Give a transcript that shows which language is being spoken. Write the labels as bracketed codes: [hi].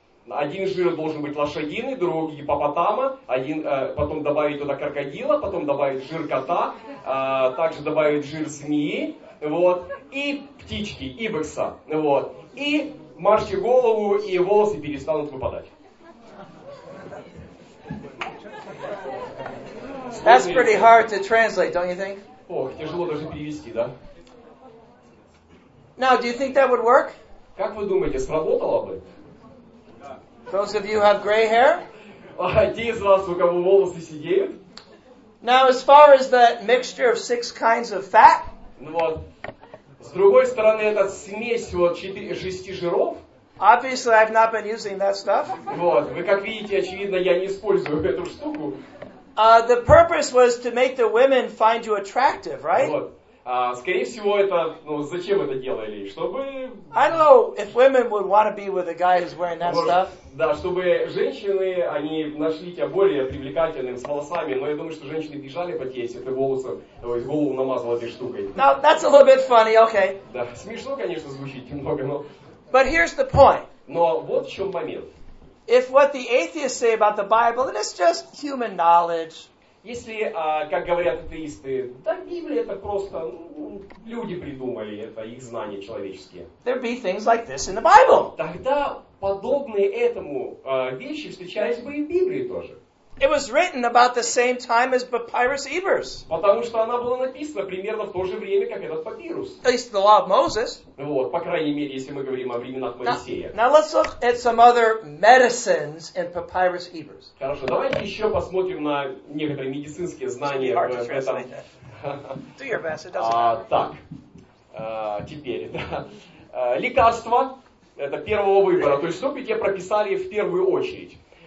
[ru] Один жир должен быть лошадиный, другой гипопотама. Потом добавить туда крокодила, потом добавить жир кота. Также добавить жир змеи. Вот. И птички, ибекса. Вот. И морщи голову, и волосы перестанут выпадать. [en] That's pretty hard to translate, don't you think? [ru] Ох, тяжело даже перевести, да? [en] Now, do you think that would work? [ru] Как вы думаете, сработало бы? [en] Those of you who have gray hair? [ru] А те из вас, у кого волосы сидеют? [en] Now, as far as that mixture of 6 kinds of fat? [ru] Ну вот, с другой стороны, эта смесь вот 4-6 жиров? [en] Obviously, I've not been using that stuff. [ru] Вот, вы как видите, очевидно, я не использую эту штуку. [en] The purpose was to make the women find you attractive, right? [ru] Вот. Скорее всего, это, ну, зачем это делали? Чтобы... [en] I don't know if women would want to be with a guy who's wearing that stuff. [ru] Да, чтобы женщины, они нашли тебя более привлекательным с волосами, но я думаю, что женщины бежали по тебе, если ты волосы, то есть голову намазал этой штукой. [en] Now, that's a little bit funny, okay. [ru] Да, смешно, конечно, звучит немного, но... [en] But here's the point. [ru] Но вот в чем момент. [en] If what the atheists say about the Bible, it's just human knowledge. [ru] Если, как говорят атеисты, да, Библия это просто, ну, люди придумали, это их знания человеческие. [en] There'd be things like this in the Bible. [ru] Тогда подобные этому вещи встречались бы и в Библии тоже. [en] It was written about the same time as papyrus Ebers. [ru] Потому что она была написана примерно в то же время, как этот папирус. [en] At least the law of Moses. [ru] Вот, по крайней мере, если мы говорим о временах Моисея. [en] Now let's look at some other medicines in papyrus Ebers. [ru] Хорошо, давайте еще посмотрим на некоторые медицинские знания в этом. [en] Do your best, it doesn't matter. [ru] Так, теперь, да. Лекарства, это первого выбора, то есть, чтобы тебе прописали в первую очередь.